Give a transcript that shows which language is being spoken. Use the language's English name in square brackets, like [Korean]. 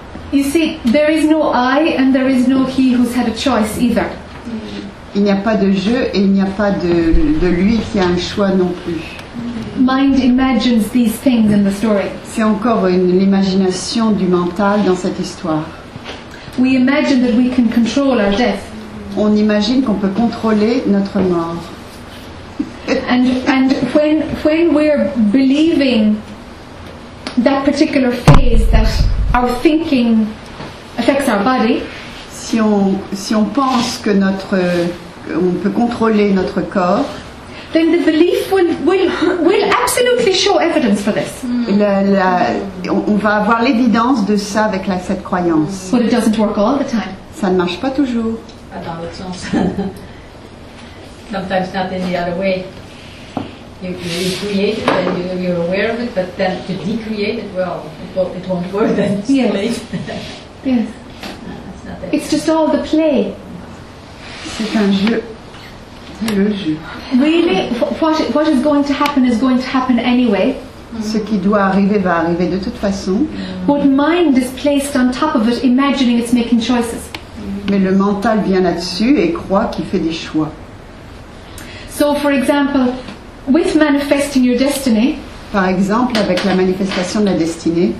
[English] You see, there is no I and there is no he who's had a choice either. [French] Il n'y a pas de je et il n'y a pas de lui qui a un choix non plus. [English] Mind imagines these things in the story. [French] C'est encore l'imagination du mental dans cette histoire. [English] We imagine that we can control our death. [French] On imagine qu'on peut contrôler notre mort. [English] And when we're believing that particular phase that our thinking affects our body, [French] si on pense que on peut contrôler notre corps. [English] Then the belief will absolutely show evidence for this. [French] On va avoir l'évidence de ça avec cette croyance. [English] But it doesn't work all the time. [French] Ça ne marche pas toujours. Dans l'autre sens. [English] Sometimes not in the other way. You create it and you're aware of it, but then to decreate it, it won't work then. Yes. Yes. No, it's just all the play. [French] C'est un jeu. [English] Really, what is going to happen is going to happen anyway. [French] Ce qui doit arriver va arriver de toute façon. [English] But mind is placed on top of it, imagining it's making choices. [French] Mais le mental vient là-dessus et croit qu'il fait des choix. [English] So, for example, with manifesting your destiny. [French] Par exemple, avec la manifestation de la destinée.